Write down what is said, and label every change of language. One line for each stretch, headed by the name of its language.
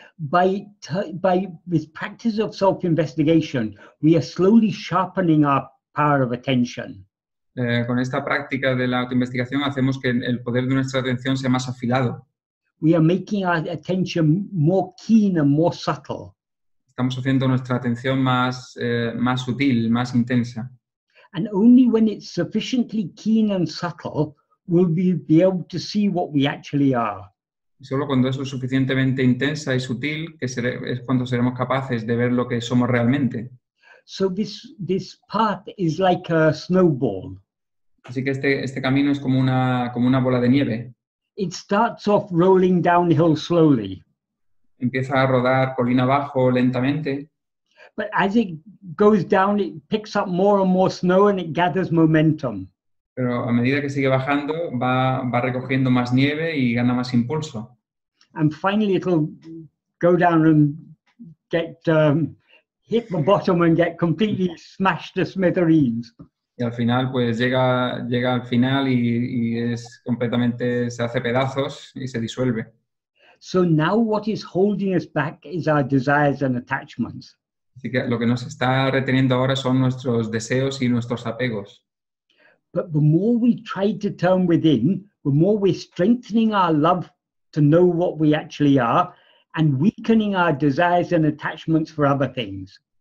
English: By this practice of self-investigation, we are slowly sharpening our power of attention.
Spanish: Con esta práctica de la autoinvestigación hacemos que el poder de nuestra atención sea más afilado.
English: We are making our attention more keen and more subtle.
Spanish: Estamos haciendo nuestra atención más sutil, más intensa.
English: And only when it's sufficiently keen and subtle will we be able to see what we actually are.
Spanish: Solo cuando eso es suficientemente intensa y sutil es cuando seremos capaces de ver lo que somos realmente.
English: So this path is like a snowball.
Spanish: Así que este camino es como una bola de nieve.
English: It starts off rolling downhill slowly.
Spanish: Empieza a rodar colina abajo lentamente.
English: But as it goes down, it picks up more and more snow and it gathers momentum.
Spanish: Pero a medida que sigue bajando, va recogiendo más nieve y gana más impulso.
English: And finally it'll go down and get hit the bottom and get completely smashed to smithereens.
Spanish: Y al final, pues llega al final y es completamente, se hace pedazos y se disuelve.
English: So now what is holding us back is our desires and attachments.
Spanish: Así que lo que nos está reteniendo ahora son nuestros deseos y nuestros apegos.
English: But the more we try to turn within, the more we're strengthening our love to know what we actually are, and weakening our desires and attachments for other things.